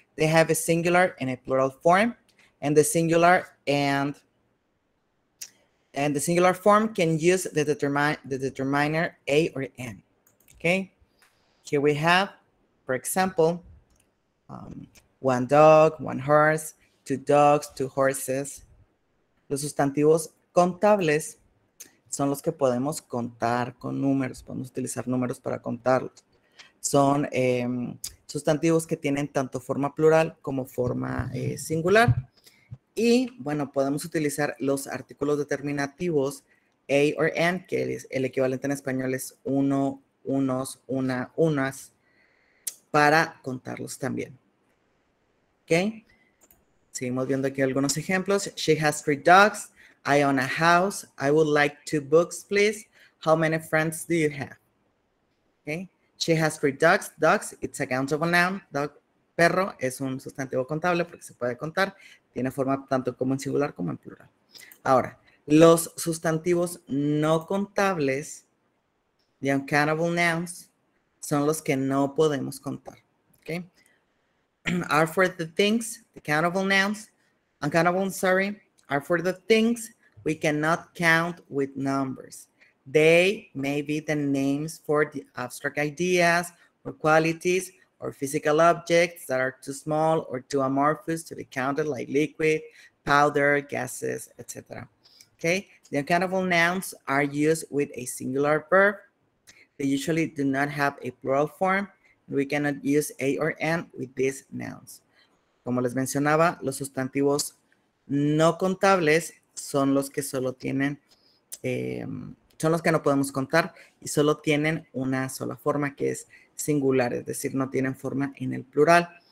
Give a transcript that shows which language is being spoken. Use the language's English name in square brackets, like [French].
[English] They have a singular and a plural form, and the singular and the singular form can use the determiner A or N, okay? Here we have, for example, one dog, one horse, two dogs, two horses. [Spanish] Los sustantivos contables son los que podemos contar con números, podemos utilizar números para contarlos. Son sustantivos que tienen tanto forma plural como forma singular. Y bueno, podemos utilizar los artículos determinativos a or an, que es el equivalente en español es uno, unos, una, unas, para contarlos también. ¿Okay? Seguimos viendo aquí algunos ejemplos. [English] She has three dogs. I own a house. I would like two books, please. How many friends do you have? Okay. She has three dogs. Dogs, it's a countable noun. [Spanish] Dog, perro, es un sustantivo contable porque se puede contar. Tiene forma tanto como en singular como en plural. Ahora, los sustantivos no contables, [English] the uncountable nouns, [Spanish] son los que no podemos contar. Okay. [English] Are for the things, the countable nouns, uncountable, sorry, are for the things we cannot count with numbers. They may be the names for the abstract ideas or qualities or physical objects that are too small or too amorphous to be counted, like liquid, powder, gases, etc. Okay, the uncountable nouns are used with a singular verb. They usually do not have a plural form. We cannot use a or an with these nouns. [Spanish] Como les mencionaba, los sustantivos no contables son los que solo tienen, son los que no podemos contar y solo tienen una sola forma que es singular, es decir, no tienen forma en el plural.